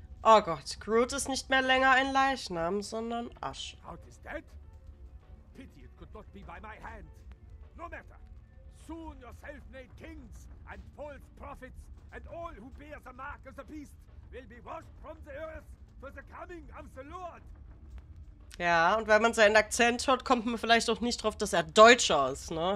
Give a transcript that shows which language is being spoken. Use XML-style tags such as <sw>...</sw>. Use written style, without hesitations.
<de>Oh Gott, Groot ist nicht mehr länger ein Leichnam, sondern Asche.</de> <en>Groot is dead? Pity it could not be by my hand. No matter. Soon your self-made kings and false prophets and all who bear the mark of the beast will be washed from the earth for the coming of the Lord.</en> <de>Ja, und wenn man seinen Akzent hört, kommt man vielleicht auch nicht drauf, dass er Deutscher ist, ne?</de>